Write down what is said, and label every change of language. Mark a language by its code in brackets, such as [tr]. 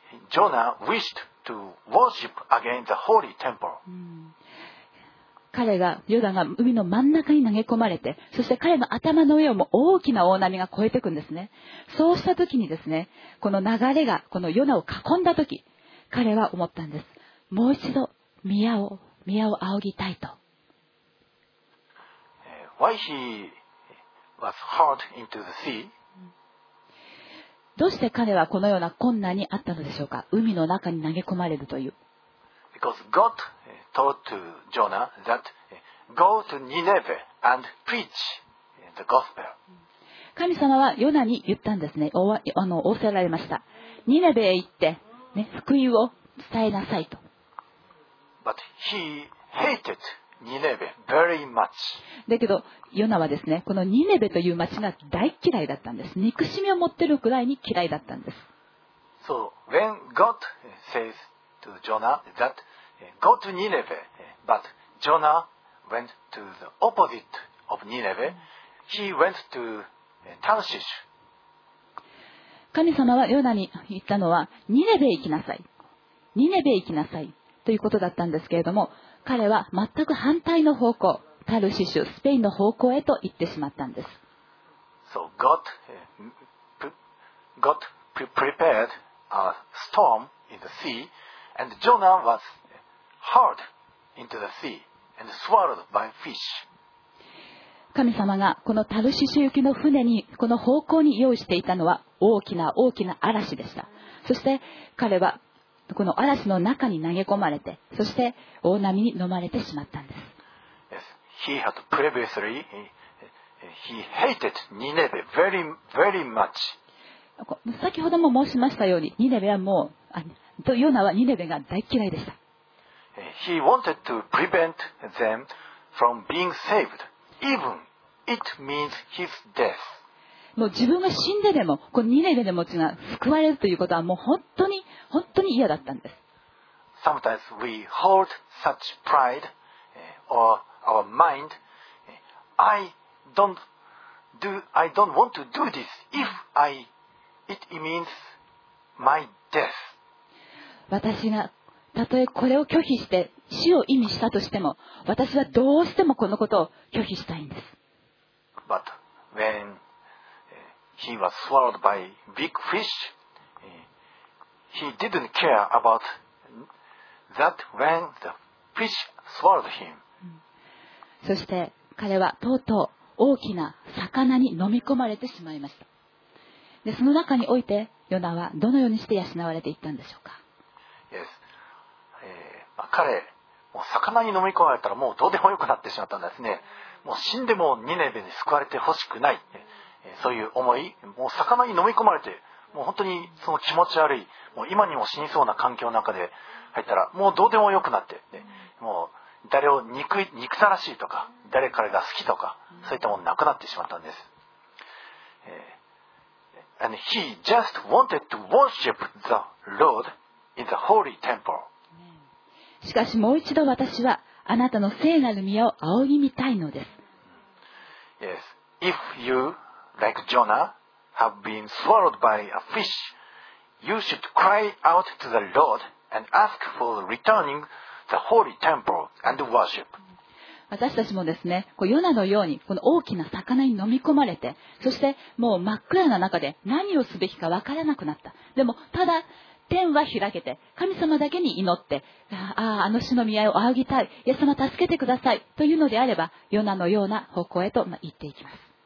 [en] Jonah wished to worship again the holy temple. [ja] 彼がヨダが海の真ん中に投げ込まれて、そして彼の頭の上をも大きな大波が越えていくんですね。そうした時にですね、この流れがこのヨダを囲んだ時、彼は思ったんです。もう一度宮を仰ぎたいと。 [en] Why he was hurled into the sea? [ja] どうして彼はこのような困難にあったのでしょうか。海の中に投げ込まれるという。 [en] Because God told to Jonah that go to Nineveh and preach the gospel. [ja] 神様はヨナに言ったんですね。仰せられました。ニネベへ行って、ね、福音を伝えなさいと。 [en] But he hated. ニネベ very much. [ja] だけどヨナはですね、このニネベという町が大嫌いだったんです。憎しみを持ってるくらいに嫌いだったんです。 [en] So when God says to Jonah that go to Nineveh, but Jonah went to the opposite of Nineveh, he went to Tarshish. [ja] 神様はヨナに言ったのはニネベ行きなさい、ニネベ行きなさいということだったんですけれども、彼は全く反対の方向、タルシシュ、スペインの方向へと行ってしまったんです。 [en] So God prepared a storm in the sea, and Jonah was hurled into the sea and swallowed by fish. [ja] 神様がこのタルシシュ行きの船にこの方向に用意していたのは大きな大きな嵐でした。そして彼はこの嵐の中に投げ込まれて、そして大波に飲まれてしまったんです。 [en] Yes. He had previously, he hated Nineveh very, very much. [ja] 先ほども申しましたように、ニネベはもう、ヨナはニネベが大嫌いでした。 [en] He wanted to prevent them from being saved, even it means his death. [ja] もう自分が死んででも、このニネベの持ちが救われるということはもう本当に本当に嫌だったんです。 [en] Sometimes we hold such pride or our mind. I don't want to do this if I it means my death. [ja] 私がたとえこれを拒否して死を意味したとしても、私はどうしてもこのことを拒否したいんです。 [en] But whenHe was swallowed by big fish. He didn't care about that when the fish swallowed him. [ja] そして彼はとうとう大きな魚に飲み込まれてしまいました。で、その中においてヨナはどのようにして養われていったんでしょうか。 [en] Yes. [ja] 彼もう魚に飲み込まれたらもうどうでもよくなってしまったんですね。もう死んでもニネベに救われてほしくない。そういう思い、もう魚に飲み込まれて、もう本当にその気持ち悪い、もう今にも死にそうな環境の中で入ったら、もうどうでもよくなって、ね、もう誰を憎たらしいとか、誰彼が好きとか、そういったものなくなってしまったんです。 [en] And he just wanted to worship the Lord in the holy temple. [ja] しかしもう一度私はあなたの聖なる宮を仰ぎ見たいのです。 [en] Yes, if you...Like Jonah, have been swallowed by a fish, you should cry out to the Lord and ask for returning the holy temple and worship. [ja] 私たちもですね、こうヨナのようにこの大きな魚に飲み込まれて、そしてもう真っ暗な中で何をすべきかわからなくなった。でもただ天は開けて、神様だけに祈って、あの主の宮を仰ぎたい、イエス様助けてくださいというのであれば、ヨナのような方向へと行っていきます。